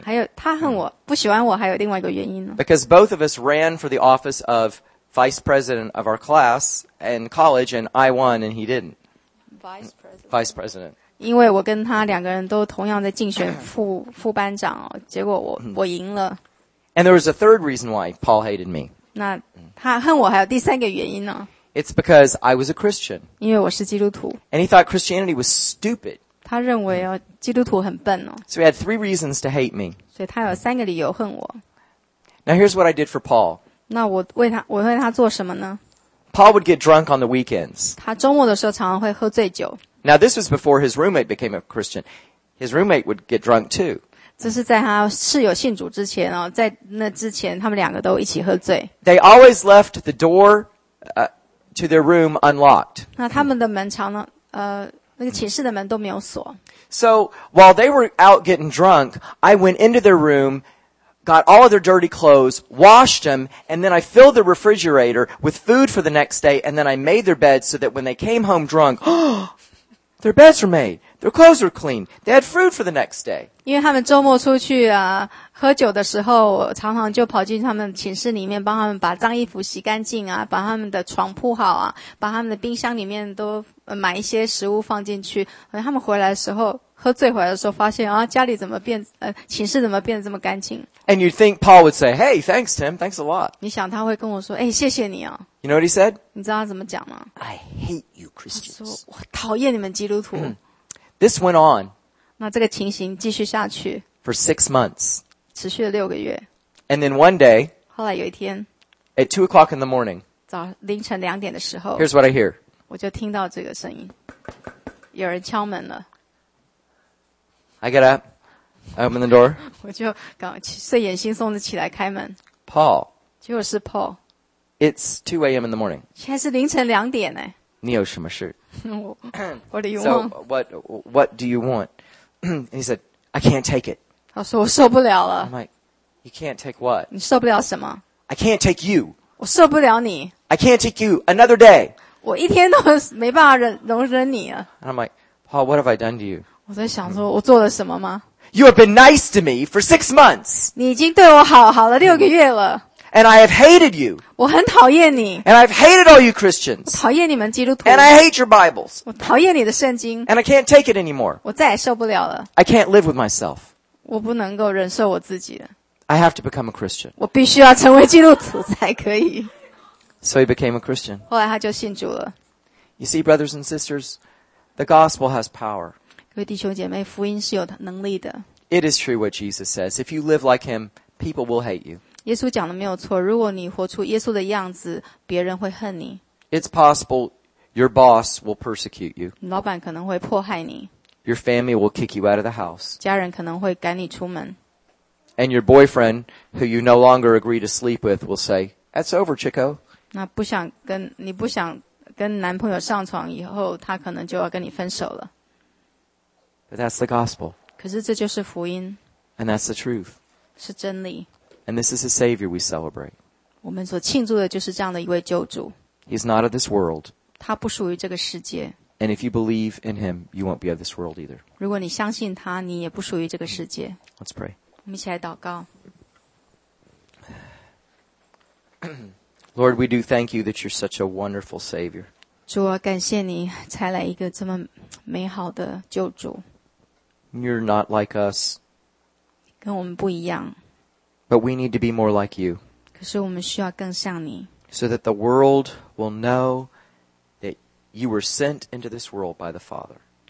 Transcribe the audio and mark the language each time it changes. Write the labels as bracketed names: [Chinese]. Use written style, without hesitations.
[Chinese] 还有他恨我，不喜欢我，还有另外一个原因呢。 [English] Because both of us ran for the office of vice president of our class and college, and I won and he didn't. Vice president. [Chinese] 因为我跟他两个人都同样在竞选副班长哦，结果我赢了。 [English] And there was a third reason why Paul hated me. [Chinese] 那他恨我还有第三个原因呢。 [English] It's because I was a Christian. [Chinese] 因为我是基督徒。 [English] And he thought Christianity was stupid. [Chinese] 他认为哦，基督徒很笨哦。 [English] So he had three reasons to hate me. [Chinese] 所以他有三个理由恨我。 [English] Now here's what I did for Paul. [Chinese] 那我为他做什么呢？ [English] Paul would get drunk on the weekends. [Chinese] 他周末的时候常常会喝醉酒。 [English] Now this was before his roommate became a Christian. His roommate would get drunk too. [Chinese] 这是在他室友信主之前哦，在那之前，他们两个都一起喝醉。 [English] They always left the door, to their room unlocked. [Chinese] 那他们的门常呢，那个寝室的门都没有锁。 [English] So while they were out getting drunk, I went into their room, got all of their dirty clothes, washed them, and then I filled the refrigerator with food for the next day, and then I made their beds so that when they came home drunk, their beds were made. Their clothes were clean. They had food for the next day. [Chinese] 因为他们周末出去啊，喝酒的时候，我常常就跑进他们寝室里面，帮他们把脏衣服洗干净啊，把他们的床铺好啊，把他们的冰箱里面都买一些食物放进去。他们回来的时候，喝醉回来的时候，发现啊，家里怎么变，寝室怎么变得这么干净 [English] ？And you'd think Paul would say, "Hey, thanks, Tim. Thanks a lot." [Chinese] 你想他会跟我说，哎，谢谢你啊。 [English] You know what he said? [Chinese] 你知道他怎么讲吗 [English] ？I hate you, Christians. [Chinese] 说我讨厌你们基督徒。 [English] This went on. [Chinese] 那这个情形继续下去。 [English] For 6 months. [Chinese] 持续了六个月。 [English] And then one day. [Chinese] 后来有一天。 [English] At 2 o'clock in the morning. [Chinese] 早凌晨两点的时候。 [English] Here's what I hear. [Chinese] 我就听到这个声音。有人敲门了。 [English] I get up. I open the door. [Chinese] 我就刚睡眼惺忪的起来开门。 [English] Paul. [Chinese] 结果是 Paul. [English] It's 2 a.m. in the morning. [Chinese] 现在是凌晨两点哎。你有什么事？ [English] What do you want? So what do you want? And he said, I can't take it. [Chinese] 他说我受不了了。 [English] I'm like, you can't take what? [Chinese] 你受不了什么？ [English] I can't take you. [Chinese] 我受不了你。 [English] I can't take you another day. [Chinese] 我一天都没办法容忍你啊。 [English] And I'm like, Paul, what have I done to you? [Chinese] 我在想说我做了什么吗？ [English] You have been nice to me for 6 months. [Chinese] 你已经对我好了六个月了。 [English] And I have hated you. [Chinese] 我很讨厌你。 [English] And I've hated all you Christians. [Chinese] 我讨厌你们基督徒。 [English] And I hate your Bibles. [Chinese] 我讨厌你的圣经。 [English] And I can't take it anymore. [Chinese] 我再也受不了了。 [English] I can't live with myself. [Chinese] 我不能够忍受我自己了。 [English] I have to become a Christian. [Chinese] 我必须要成为基督徒才可以。 [English] So he became a Christian. [Chinese] 后来他就信主了。 [English] You see, brothers and sisters, the gospel has power. [Chinese] 各位弟兄姐妹，福音是有能力的。 [English] It is true what Jesus says. If you live like him, people will hate you. [Chinese] 耶稣讲的没有错，如果你活出耶稣的样子，别人会恨你。 [English] It's possible your boss will persecute you. [Chinese] 老板可能会迫害你。 [English] Your family will kick you out of the house. [Chinese] 家人可能会赶你出门。 [English] And your boyfriend, who you no longer agree to sleep with, will say, "That's over, chico." [Chinese] 那不想跟男朋友上床以后，他可能就要跟你分手了。 [English] But that's the gospel. [Chinese] 可是这就是福音。 [English] And that's the truth. [Chinese] 是真理。 [English] And this is the Savior we celebrate. [Chinese] 我们所庆祝的就是这样的一位救主。 [English] He's not of this world. [Chinese] 他不属于这个世界。 [English] And if you believe in him, you won't be of this world either. [Chinese] 如果你相信他，你也不属于这个世界。 [English] Let's pray. [Chinese] 我们一起来祷告。 [English] Lord, we do thank you that you're such a wonderful Savior. [Chinese] 主啊，感谢你才来一个这么美好的救主。 [English] You're not like us. [Chinese] 跟我们不一样。 [English] But we need to be more like you. [Chinese] 可是我们需要更像你。 [English] So that the world will know that you were sent into this world by the Father.